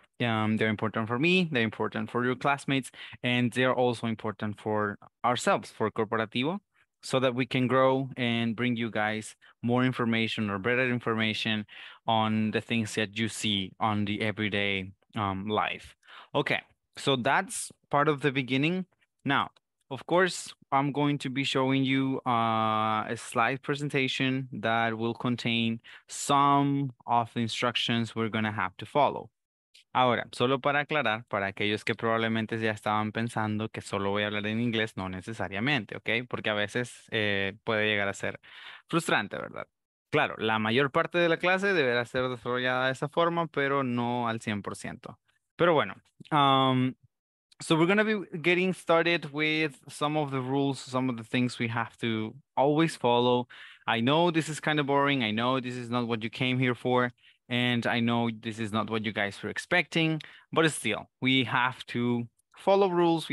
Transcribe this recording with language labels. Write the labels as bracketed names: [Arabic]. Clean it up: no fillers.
[English] They're important for me, they're important for your classmates, and they're also important for ourselves, for Corporativo, so that we can grow and bring you guys more information or better information on the things that you see on the everyday life. Okay, so that's part of the beginning. Now, of course, I'm going to be showing you a slide presentation that will contain some of the instructions we're going to have to follow. [Spanish] Ahora, solo para aclarar, para aquellos que probablemente ya estaban pensando que solo voy a hablar en inglés, no necesariamente, ¿ok? Porque a veces puede llegar a ser frustrante, ¿verdad? Claro, la mayor parte de la clase deberá ser desarrollada de esa forma, pero no al 100%. Pero bueno, [English] so we're gonna be getting started with some of the rules, some of the things we have to always follow. I know this is kind of boring, I know this is not what you came here for. And I know this is not what you guys were expecting, but still, we have to follow rules.